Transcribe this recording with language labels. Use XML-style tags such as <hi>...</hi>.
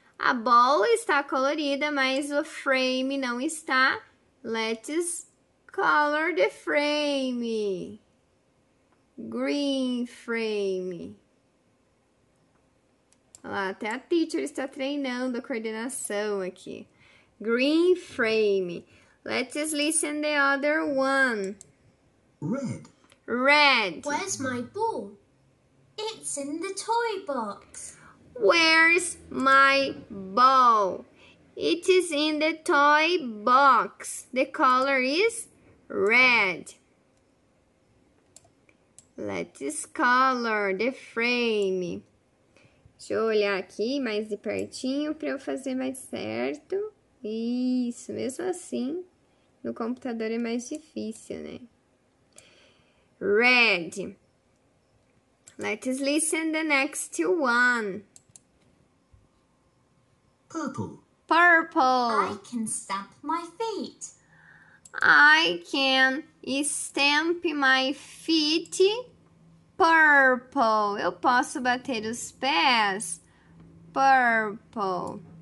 <pt>A bola está colorida, mas o frame não está.</pt> <en>Let's color the frame. Green frame.</en> <pt>Olha lá, até a teacher está treinando a coordenação aqui.</pt> <en>Green frame. Let's listen the other one. Red. Red. Where's my ball? It's in the toy box. Where's my ball? It is in the toy box. The color is red. Let's color the frame.</en> <pt>Deixa eu olhar aqui mais de pertinho para eu fazer mais certo. Isso, mesmo assim. No computador é mais difícil, né?</pt> <en>Red. Let's listen the next one. Purple. Purple. I can stamp my feet. I can stamp my feet purple.</en> <pt>Eu posso bater os pés purple.</pt>